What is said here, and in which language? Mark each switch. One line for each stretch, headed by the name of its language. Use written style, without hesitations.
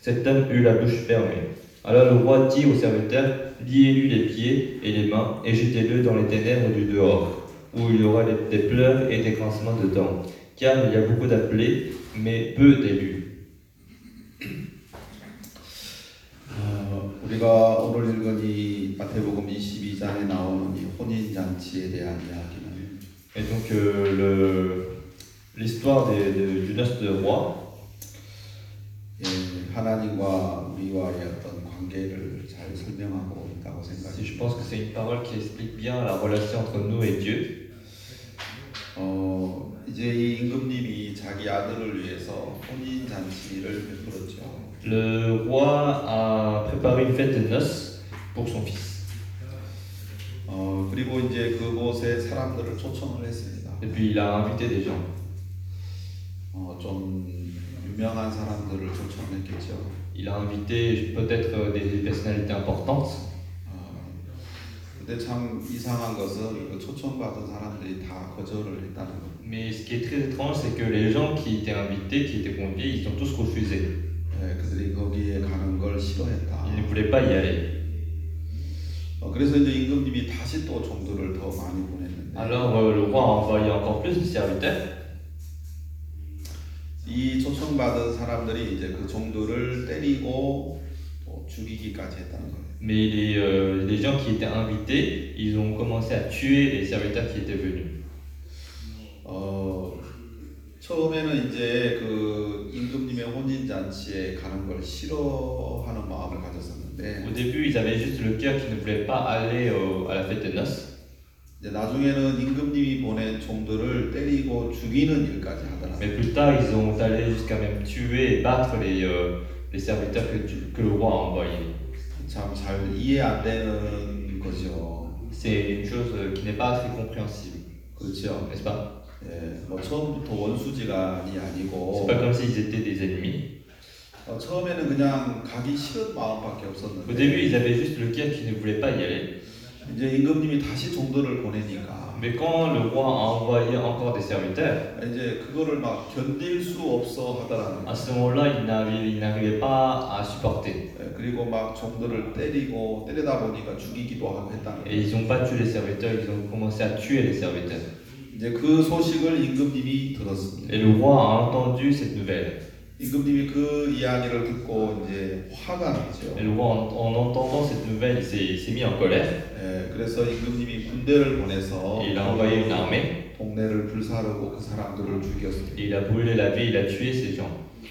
French: Cet homme eut la bouche fermée. Alors le roi dit au serviteur : Liez-lui les pieds et les mains et jetez-le dans les ténèbres du dehors, où il y aura des pleurs et des grincements de dents, car il y a beaucoup d'appelés, mais peu d'élus.
Korean: 우리가 오늘 읽은 이 마태복음 22장에 나오는 이 혼인 잔치에 대한 이야기는
French: Et donc le l'histoire du noce de roi
Korean: 예, 하나님과 우리와의 어떤 관계를 잘 설명하고 있다고 생각해요.
French: Si je pense que c'est une parole qui explique bien la relation entre nous et Dieu.
Korean: 이제 이 임금님이 자기 아들을 위해서 혼인 잔치를 베풀었죠.
French: Le roi a préparé une fête de noces pour son fils.
Korean: 그리고 이제 그곳에 사람들을 초청을 했습니다.
French: Et puis il a invité des gens.
Korean: 좀 유명한 사람들을 초청했겠죠.
French: Il a invité peut-être des personnalités importantes.
Korean: 근데 참 이상한 것은 그 초청받은 사람들이 다 거절을 했다는 거.
French: Mais ce qui est très étrange, c'est que les gens qui étaient invités, qui étaient conviés, ils ont tous refusé.
Korean: 네, 그들이 거기에 가는 걸 싫어했다.
French: Ils ne voulaient pas y aller.
Korean: 그래서 이제 임금님이 다시 또 종들을 더 많이 보냈는데.
French: Alors le roi a envoyé encore plus de serviteurs.
Korean: 이 초청받은 사람들이 이제 그 종들을 때리고 또 죽이기까지 했다는 거예요.
French: Mais les gens qui étaient invités, ils ont commencé à tuer les serviteurs qui étaient venus.
Korean: 처음에는 이제 그 임금님의 혼인 잔치에 가는 걸 싫어하는 마음을 가졌었는데.
French: Au début, ils avaient juste le cœur qui ne voulait pas aller à la fête des noces.
Korean: 이제 나중에는 임금님이 보낸 종들을 때리고 죽이는 일까지 하더라고요.
French: Mais plus tard, ils ont allé jusqu'à même tuer et battre les serviteurs que le roi a envoyés.
Korean: 참 잘 이해 안 되는 거죠.
French: C'est une chose qui n'est pas très compréhensible.
Korean: 그렇죠,
French: n'est-ce pas?
Korean: 예, 뭐 처음부터 원수지가 아니고.
French: C'est pas comme si ils étaient des ennemis.
Korean: 처음에는 그냥 가기 싫은 마음밖에 없었는데.
French: Au début, ils avaient juste le cœur qui ne voulait pas y aller.
Korean: 이제 임금님이 다시 종들을 보내니까.
French: Mais quand le roi a envoyé encore des serviteurs,
Korean: 이제 그거를 막 견딜 수 없어 하더라는.
French: À ce moment-là, il n'arrivait pas à supporter.
Korean: 그리고 막 종들을 때리고 때리다 보니까 죽이기도 하고 했다는.
French: Et ils ont battu les serviteurs, ils ont commencé à tuer les serviteurs.
Korean: 이제 그 소식을 임금님이 들었습니다.
French: Et le roi a entendu cette nouvelle.
Korean: 임금님이 그 이야기를 듣고 이제 화가 나죠.
French: Et le roi en entendant cette nouvelle, il s'est mis en colère.
Korean: 예, 그래서 임금님이 군대를 보내서
French: Il a envoyé une armée.
Korean: 동네를 불사르고 그 사람들을 죽였습니다.
French: Il a brûlé la ville, il a tué ces gens.